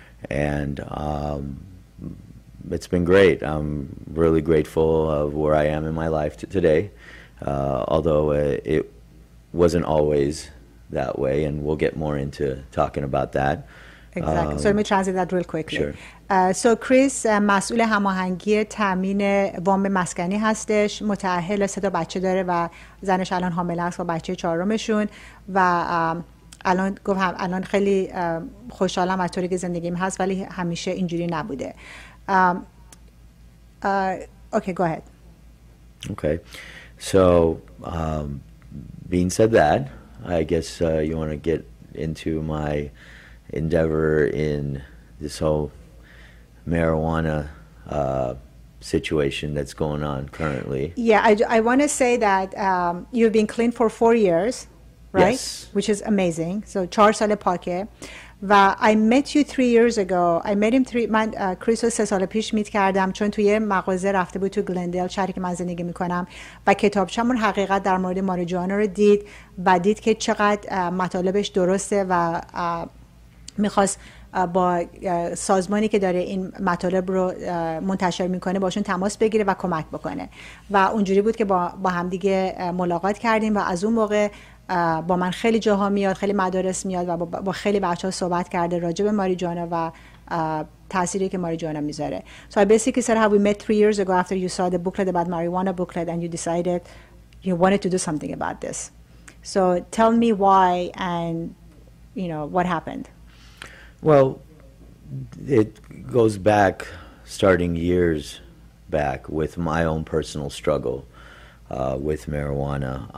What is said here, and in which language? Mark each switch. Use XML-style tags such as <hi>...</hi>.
<en>And it's been great. I'm really grateful of where I am in my life today. Although it wasn't always that way, and we'll get more into talking about that. Exactly. So let me translate that real quickly. Sure.</en> <fa>So Chris, مسئول هماهنگی تامین وام مسکنی هستش. متأهل، سه تا بچه داره و زنش الان حامله است با بچه چهارمشون. و الان گفتم الان خیلی خوشحالم از طوری که زندگیم هست، ولی همیشه اینجوری نبوده.</fa> <en>Okay, go ahead. Okay. So being said that, I guess you want to get into my endeavor in this whole marijuana situation that's going on currently. Yeah, I want to say that you've been clean for 4 years, right? Yes. Which is amazing. So 4 sale pake. و I met you 3 years ago. I met him three.</en> <fa>من کریس رو 3 سال پیش میت کردم، چون توی مغازه رفته بود تو گلندل، شهری که من زندگی میکنم، و کتابچه‌مون حقیقت در مورد ماریجوانا رو دید و دید که چقدر مطالبش درسته و میخواست با سازمانی که داره این مطالب رو منتشر میکنه باشون تماس بگیره و کمک بکنه. و اونجوری بود که با همدیگه ملاقات کردیم و از اون موقع با من خیلی جاها میاد، خیلی مدارس میاد و با خیلی بچه‌ها صحبت کرده راجع به ماریجوانا و تأثیری که ماریجوانا میذاره.</fa> <en>So I basically said how we met 3 years ago after you saw the booklet about marijuana booklet and you decided you wanted to do something about this. So tell me why and you know what happened. Well, it goes back, starting years back, with my own personal struggle with marijuana.</en>